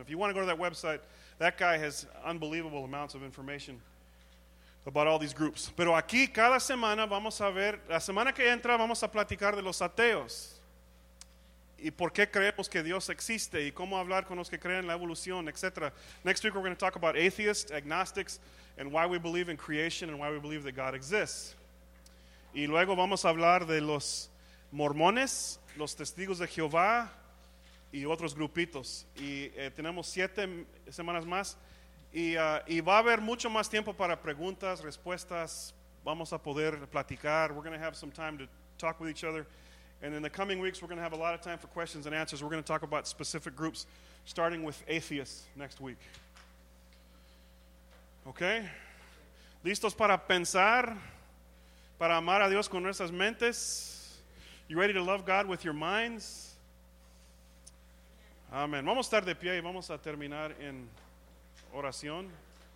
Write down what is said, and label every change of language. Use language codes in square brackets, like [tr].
[en] If you want to go to that website, that guy has unbelievable amounts of information about all these groups. [es] Pero aquí cada semana vamos a ver, la semana que entra vamos a platicar de los ateos y por qué creemos que Dios existe y cómo hablar con los que creen la evolución, etc. [en] Next week we're going to talk about atheists, agnostics, and why we believe in creation and why we believe that God exists. [es] Y luego vamos a hablar de los mormones, los testigos de Jehová y otros grupitos. Y tenemos 7 semanas más. Y va a haber mucho más tiempo para preguntas, respuestas. Vamos a poder platicar. [en] We're going to have some time to talk with each other. And in the coming weeks, we're going to have a lot of time for questions and answers. We're going to talk about specific groups, starting with atheists next week. [es] Okay? ¿Listos para pensar? ¿Para amar a Dios con nuestras mentes? [en] You ready to love God with your minds? [es] Amen. Vamos a estar de pie y vamos a terminar en oración.